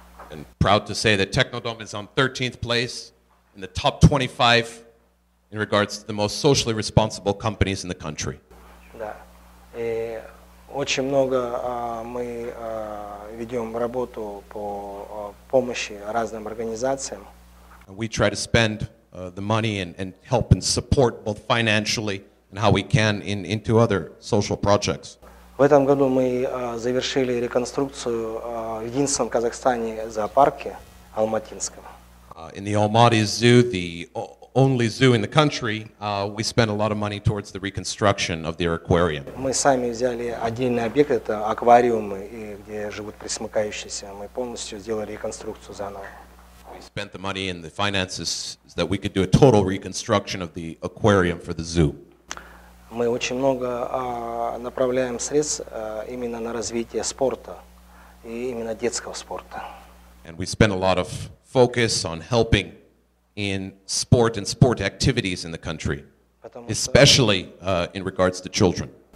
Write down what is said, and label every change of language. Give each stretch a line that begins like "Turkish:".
English: And proud to say that Technodome is on 13th place in the top 25 in regards to the most socially responsible companies in the country.
Russian: Да. И очень много мы ведем работу по помощи разным организациям.
English: We try to spend the money and help and support both financially and how we can into other social projects.
Russian: В этом году мы завершили реконструкцию в единственном Казахстане зоопарке Алматинском.
English: In the Almaty Zoo, the only zoo in the country, we spent a lot of money towards the reconstruction of their aquarium.
Russian: Мы сами взяли отдельный объект, это аквариумы, где живут пресмыкающиеся. Мы полностью сделали реконструкцию заново.
English: We spent the money and the finances so that we could do a total reconstruction of the aquarium for the zoo.
Russian: Мы очень много направляем средств именно на развитие спорта и именно детского спорта.
English: And we spent a lot of focus on helping in sport and sport activities in the country, especially in regards to children.